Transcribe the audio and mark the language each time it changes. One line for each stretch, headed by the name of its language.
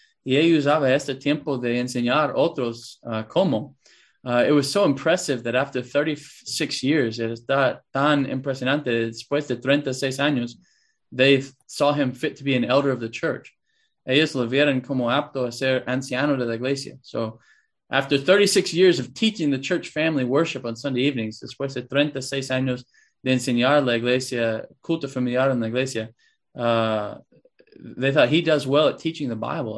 Spanish: Y él usaba este tiempo de enseñar otros cómo.
English: It was so impressive that after 36 years, it is
Spanish: tan impresionante, después de 36 años,
English: they saw him fit to be an elder of the church.
Spanish: Ellos lo vieron como apto a ser anciano de la iglesia.
English: So after 36 years of teaching the church family worship on Sunday evenings,
Spanish: después de 36 años de enseñar la iglesia,
English: culto familiar en la iglesia, they thought he does well at teaching the Bible.